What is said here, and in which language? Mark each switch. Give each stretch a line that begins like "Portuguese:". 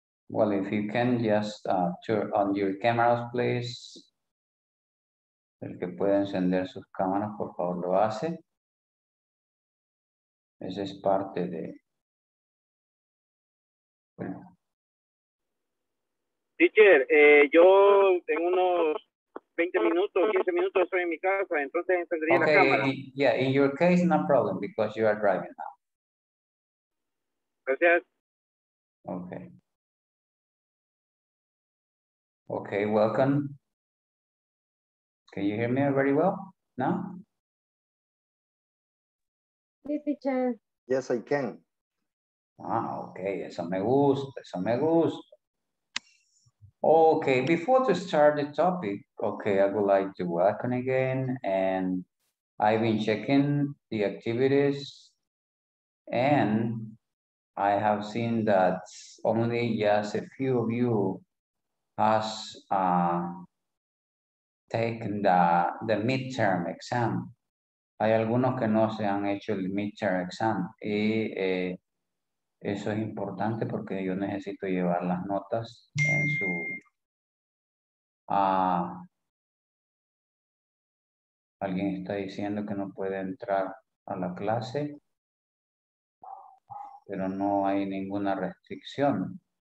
English: Well, if you can just turn on your cameras, please.
Spanish: El que puede encender sus cámaras, por favor, lo hace. Esa es parte de... Bueno. Teacher, yo en unos 20 minutos, 15 minutos estoy en mi casa, entonces encendería
English: okay,
Spanish: la cámara.
English: Okay, yeah, in your case, no problem, because you are driving now.
Spanish: Gracias.
English: Okay. Okay, welcome. Can you hear me very well now? Yes, teacher. Yes, I can.
Spanish: Ah, okay, eso me gusta, eso me gusta.
English: Okay, before to start the topic, okay, I would like to welcome again, and I've been checking the activities, and I have seen that only just a few of you has taken the midterm exam.
Spanish: Hay algunos que no se han hecho el midterm exam, y eso es importante porque yo necesito llevar las notas en su alguien está diciendo que no puede entrar a la clase, pero no hay ninguna restricción.